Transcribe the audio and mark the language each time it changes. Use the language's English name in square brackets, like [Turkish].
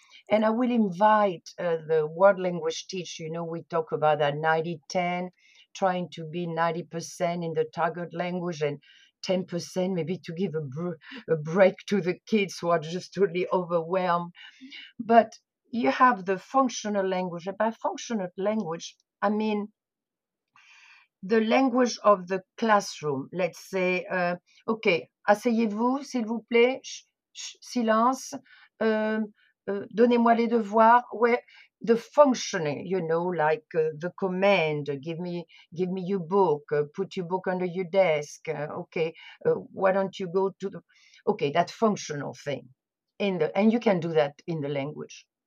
[English] And I will invite the world language teacher, you know, we talk about that 90-10, trying to be 90% in the target language and 10% maybe to give a break to the kids who are just totally overwhelmed. But you have the functional language. And by functional language, I mean the language of the classroom. Let's say, okay, [French] asseyez-vous, s'il vous plaît, silence. Donnez-moi les devoirs. [English] Where the functioning, you know, like the command, give me your book, put your book under your desk. Okay, why don't you go to the... okay, that functional thing. And you can do that in the language.